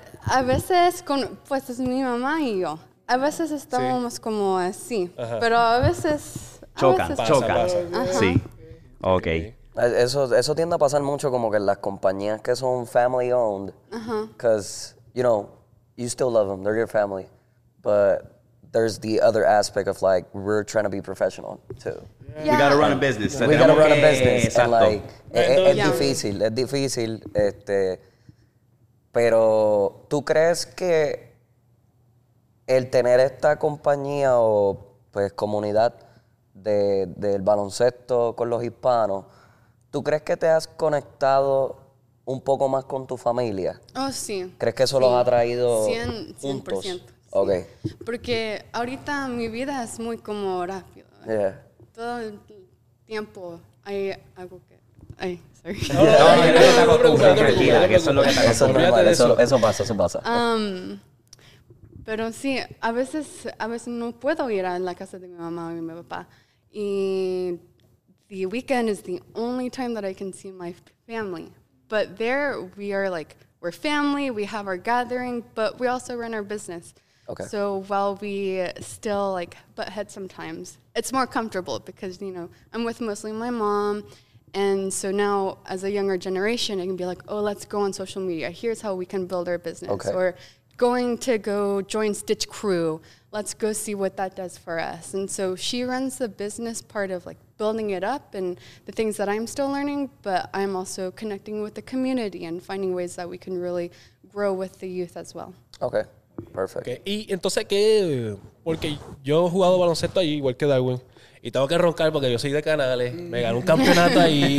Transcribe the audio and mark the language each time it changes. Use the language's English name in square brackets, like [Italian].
[Spanish] A veces con, pues es mi mamá y yo, a veces estamos como así, pero a veces choca. Sí. Ok. Eso tiende a pasar mucho como que las compañías que son [English] family owned. Because, you know, you still love them. They're your family. But there's the other aspect of like, we're trying to be professional too. Yeah. We gotta run a business. So we gotta run a business. [Spanish] Exacto. [English] And like, [Spanish] es difícil. Pero, ¿tú crees que el tener esta compañía o pues comunidad del baloncesto con los hispanos, ¿tú crees que te has conectado un poco más con tu familia? Oh, sí. ¿Crees que eso los ha traído 100%, juntos? 100%. Sí. Ok. Porque ahorita mi vida es muy como rápido. [English] Yeah. [Spanish] Todo el tiempo hay algo que... Ay, [English] sorry. [Spanish] Eso pasa. Pero sí, a veces no puedo ir a la casa de mi mamá o mi papá. [English] Y the weekend is the only time that I can see my family. But there we are like, we're family, we have our gathering, but we also run our business. Okay. So while we still like butt heads sometimes, it's more comfortable because, you know, I'm with mostly my mom. And so now as a younger generation, I can be like, oh, let's go on social media. Here's how we can build our business. Okay. Or going to go join Stitch Crew. Let's go see what that does for us. And so she runs the business part of like building it up and the things that I'm still learning, but I'm also connecting with the community and finding ways that we can really grow with the youth as well. Okay. Perfect. Okay. [Spanish] Y entonces qué, porque yo he jugado baloncesto ahí igual que Darwin y tengo que roncar porque yo soy de Canales, me gané un campeonato ahí.